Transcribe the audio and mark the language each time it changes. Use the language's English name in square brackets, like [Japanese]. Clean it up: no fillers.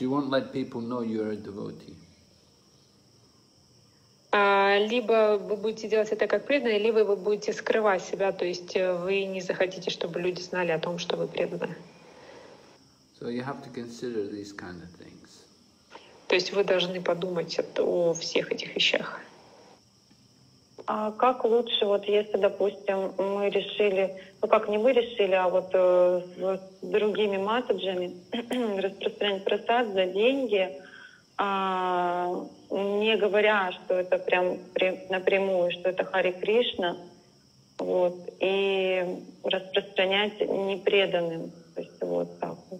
[English] You won't let people know you're a devotee. [Russian] Либо вы будете делать это как преданное, либо вы будете скрывать себя, то есть вы не захотите, чтобы люди знали о том, что вы преданы. So you have to consider these kind of things. То есть вы должны подумать о всех этих вещах. А как лучше, вот если, допустим, мы решили, ну как не мы решили, а вот с другими матаджами распространять просад за деньги, не говоря, что это прям напрямую, что это Харе Кришна, вот, и распространять непреданным, то есть вот так.